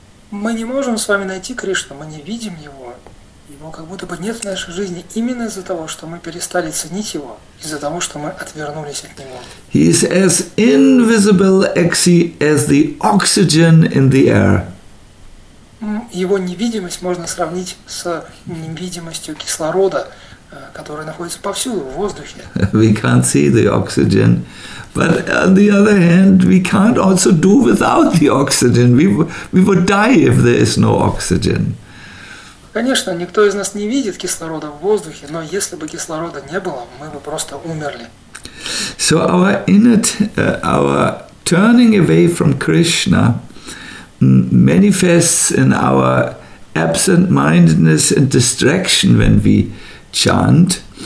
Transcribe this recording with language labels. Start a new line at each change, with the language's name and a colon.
Russian: Мы не можем с вами найти Кришну, мы не видим Его. Его как будто бы нет в нашей жизни именно из-за того, что мы перестали ценить Его, из-за того, что мы отвернулись от Него.
English: He is as invisible as the oxygen in the air.
Russian: Его невидимость можно сравнить с невидимостью кислорода, который находится повсюду, в воздухе.
English: We can't see the oxygen. But on the other hand, we can't also do without the oxygen. We would die if there is no oxygen.
Russian: Конечно, никто из нас не видит кислорода в воздухе, но если бы кислорода не было, мы бы просто умерли.
English: So our turning away from Krishna manifests in our absent-mindedness and distraction when we chant.